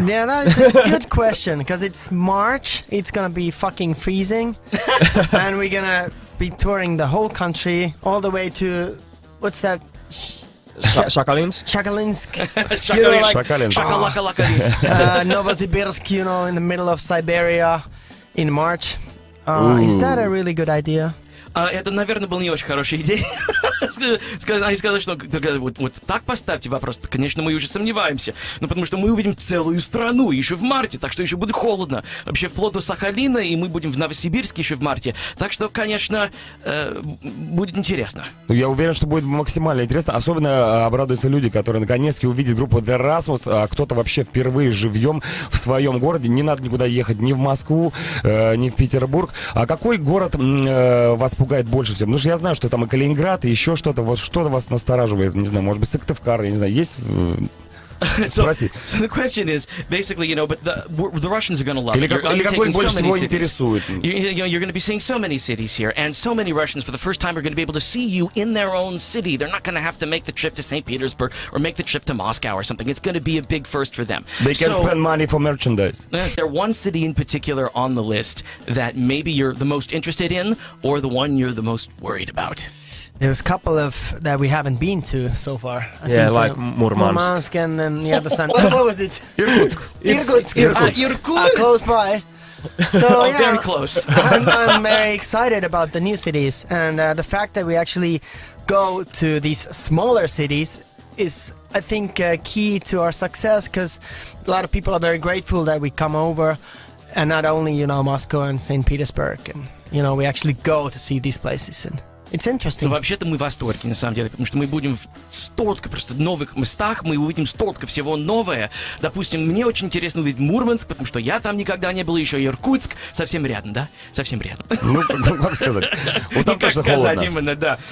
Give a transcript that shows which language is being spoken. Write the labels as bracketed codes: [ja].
[en] Yeah, that's a good question, because it's March, it's gonna be fucking freezing, and we're gonna be touring the whole country all the way to... What's that... Shakalinsk, Novosibirsk, you know, in the middle of Siberia, in March. Is that a really good idea? [ru] Это, наверное, была не очень хорошая идея. Они сказали, что вот так поставьте вопрос. Конечно, мы уже сомневаемся. Но потому что мы увидим целую страну еще в марте, так что еще будет холодно. Вообще вплоть до Сахалина, и мы будем в Новосибирске еще в марте. Так что, конечно, будет интересно. Ну, я уверен, что будет максимально интересно. Особенно обрадуются люди, которые наконец-то увидят группу The Rasmus, а кто-то вообще впервые живьем в своем городе. Не надо никуда ехать ни в Москву, ни в Петербург. А какой город вас пугает больше всего? Потому что я знаю, что там и Калининград, и еще что-то. Вот что-то вас настораживает. Не знаю, может быть, Сыктывкар, я не знаю, есть? Спроси. [en] So the question is, basically, you know, but the Russians are going to love it. [ru] Или какой больше всего интересует? [en] You're going to be seeing so many cities here, and so many Russians for the first time are going to be able to see you in their own city. They're not going to have to make the trip to St. Petersburg or make the trip to Moscow or something. It's going to be a big first for them. They can spend money for merchandise. There's one city in particular on the list that maybe you're the most interested in or the one you're the most worried about. There's a couple of that we haven't been to so far. Murmansk and then the other side. What was it? Irkutsk. Irkutsk. Close by. So, very close. I'm very excited about the new cities. And the fact that we actually go to these smaller cities is, I think, key to our success. Because a lot of people are very grateful that we come over. And not only, you know, Moscow and St. Petersburg. And, you know, we actually go to see these places and... It's interesting. [ru] Но вообще-то мы в восторге, на самом деле, потому что мы будем в столько просто новых местах, мы увидим столько всего нового. Допустим, мне очень интересно увидеть Мурманск, потому что я там никогда не был, еще Иркутск совсем рядом, да? Совсем рядом. Ну, как сказать? Вот там тоже холодно. Как сказать именно, да.